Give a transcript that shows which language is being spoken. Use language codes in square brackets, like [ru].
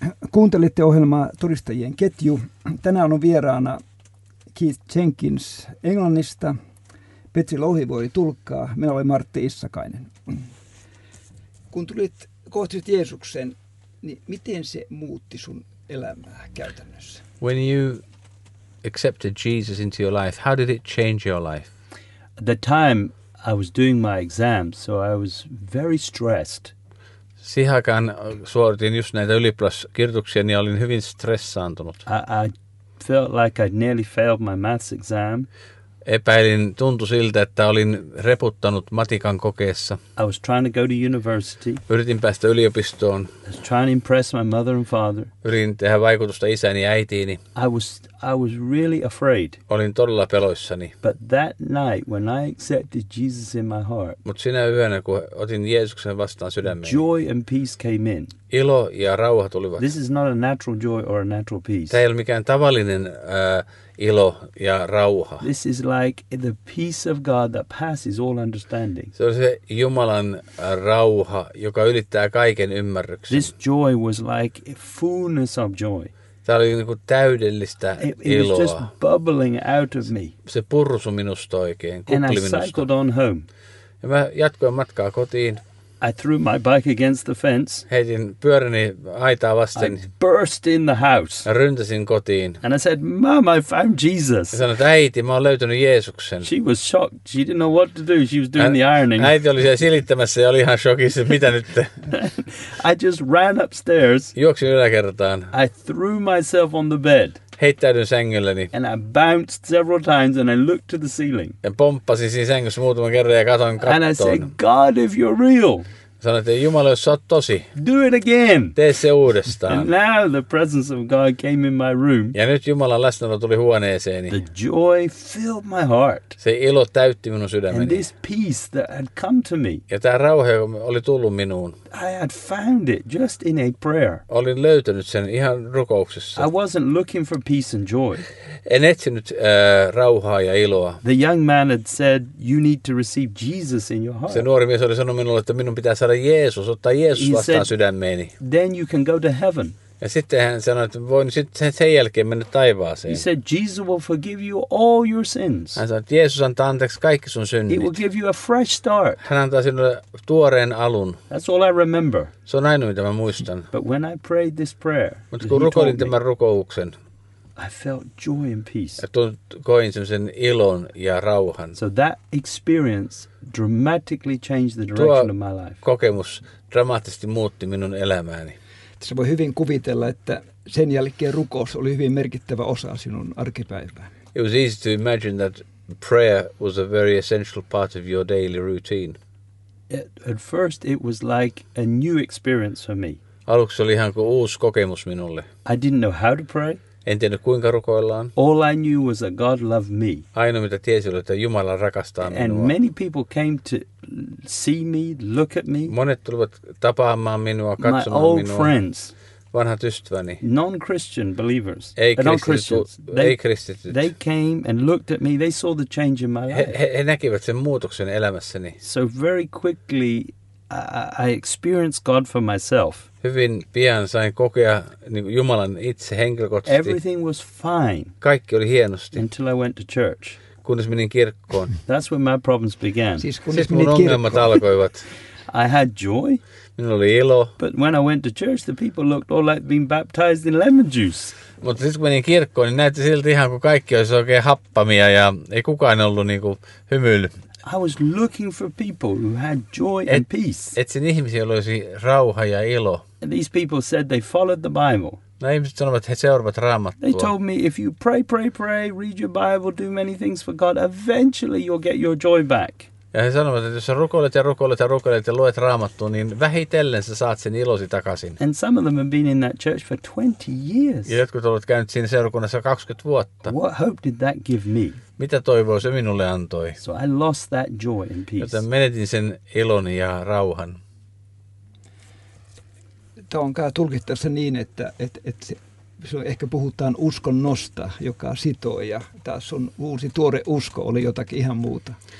[fi] Kuuntelitte ohjelmaa Todistajien ketju. Tänään on vieraana Keith Jenkins Englannista. Petri Lohi voi tulkkaa. Minä olen Martti Issakainen. Kun tulit kohti Jeesuksen, niin miten se muutti sun elämää käytännössä? [en] When you accepted Jesus into your life, how did it change your life? At the time I was doing my exams, so I was very stressed. [fi] Siihen aikaan suoritin just näitä ylioppilaskirjoituksia, niin olin hyvin stressaantunut. [en] I felt like I'd nearly failed my maths exam. [fi] Epäilin, tuntui siltä, että olin reputtanut matikan kokeessa. [en] I was trying to go to university. [fi] Yritin päästä yliopistoon. [en] I was trying to impress my mother and father. [fi] Yritin tehdä vaikutusta isäni ja äitiini. [en] I was really afraid. [fi] Olin todella peloissani. [en] But that night when I accepted Jesus in my heart. [fi] Mut sinä yönä kun otin Jeesuksen vastaan sydämeen. [en] Joy and peace came in. [fi] Ilo ja rauha tulivat. [en] This is not a natural joy or a natural peace. [fi] Tämä ei ole mikään tavallinen ilo ja rauha. [en] This is like the peace of God that passes all understanding. [fi] Se on se Jumalan rauha, joka ylittää kaiken ymmärryksen. [en] This joy was like a fullness of joy. [fi] Tämä oli niin kuin täydellistä iloa. [en] It was just bubbling out of me. [fi] Se pursui minusta oikein, kukli minusta. [en] And I cycled on home. [fi] Ja mä jatkoin matkaa kotiin. [en] I threw my bike against the fence. [fi] Heitin pyöräni aitaa vasten. [en] I burst in the house. [fi] Ja ryntäsin kotiin. [en] And I said, Mom, I found Jesus. [fi] Ja sanoin, että äiti, mä oon löytänyt Jeesuksen. [en] She was shocked. She didn't know what to do. She was doing the ironing. [fi] Äiti oli siellä silittämässä ja oli ihan shokissa, mitä nyt. [en] I just ran upstairs. [fi] Juoksin yläkertaan. [en] I threw myself on the bed. [fi] Heittäydyin sängylläni. [en] And I bounced several times and I looked to the ceiling. [fi] Ja pomppasin siinä sängyssä muutaman kerran ja katsoin kattoon. [en] And I said, God, if you're real. [fi] Sanoin, että Jumala, jos sä oot tosi. [en] Do it again. [fi] Tee se uudestaan. [en] And now the presence of God came in my room. [fi] Ja nyt Jumalan läsnäolo tuli huoneeseeni. [en] The joy filled my heart. [fi] Se ilo täytti minun sydämeni. [en] And this peace that had come to me. [fi] Ja tämä rauha oli tullut minuun. [en] I had found it just in a prayer. [fi] Olin löytänyt sen ihan rukouksessa. [en] I wasn't looking for peace and joy. [fi] En etsinyt rauhaa ja iloa. [en] The young man had said, you need to receive Jesus in your heart. [fi] Se nuori mies oli sanonut minulle, että minun pitää saada Jeesus, ottaa Jeesus vastaan sydämeeni. [en] Then you can go to heaven. [fi] Ja sitten hän sanoi, että voin sitten sen jälkeen mennä taivaaseen. [en] He said, Jesus will forgive you all your sins. [fi] Hän sanoi, että Jeesus antaa anteeksi kaikki sun synnit. [en] He will give you a fresh start. [fi] Hän antaa sinulle tuoreen alun. [en] That's all I remember. [fi] Se on ainoa, mitä mä muistan. [en] But when I prayed this prayer, [fi] mutta kun rukoilin tämän rukouksen, [en] I felt joy and peace. [fi] Koin semmoisen ilon ja rauhan. [en] So that experience dramatically changed the direction of my life. [fi] Kokemus dramaattisesti muutti minun elämääni. Se voi hyvin kuvitella, että sen jälkeen rukous oli hyvin merkittävä osa sinun arkipäivää. [en] It was easy to imagine that prayer was a very essential part of your daily routine. At first it was like a new experience for me. [fi] Aluksi oli ihan kuin uusi kokemus minulle. [en] I didn't know how to pray. [fi] En tiedä, kuinka rukoillaan. [en] All I knew was that God loved me. [fi] Ainoa, mitä tiesin, oli, että Jumala rakastaa minua. [en] And many people came to see me, look at me. [fi] Monet tulivat tapaamaan minua, katsomaan minua. [en] My old [fi] minua. [en] Friends. [fi] Vanhat ystäväni. [en] Non-Christian believers. [fi] Ei-kristityt. [en] They came and looked at me. They saw the change in my life. [fi] He näkivät sen muutoksen elämässäni. [en] So very quickly I experienced God for myself. [fi] Hyvin pian sain kokea Jumalan itse henkilökohtaisesti. [en] Everything was fine. [fi] Kaikki oli hienosti. [en] Until I went to church. [fi] Kunnes menin kirkkoon. [en] That's when my problems began. [fi] Siis mun ongelmat alkoivat. [en] I had joy. [fi] Minulla oli ilo. [en] But when I went to church, the people looked all like being baptized in lemon juice. [fi] Mutta sitten kun menin kirkkoon, niin näytti silti ihan kuin kaikki olisi oikein happamia ja ei kukaan ollut niinku hymyillyt. [en] I was looking for people who had joy and peace. [fi] Etsin ihmisiä, joilla olisi rauha ja ilo. [en] And these people said they followed the Bible. [fi] No, ihmiset sanovat, että he seuraavat Raamattua. [en] They told me, if you pray, pray, pray, read your Bible, do many things for God, eventually you'll get your joy back. [fi] Ja he sanovat, että jos sä rukoilet ja rukoilet ja rukoilet ja luet Raamattua, niin vähitellen sä saat sen ilosi takaisin. [en] And some of them have been in that church for 20 years. [fi] Ja jotkut ovat käyneet siinä seurakunnassa 20 vuotta. [en] What hope did that give me? [fi] Mitä toivoa se minulle antoi? [en] So I lost that joy and peace. [fi] Joten menetin sen ilon ja rauhan. Tämä on kai tulkittavissa niin, että se ehkä puhutaan uskonnosta, joka sitoo, ja tämä sun uusi tuore usko oli jotakin ihan muuta.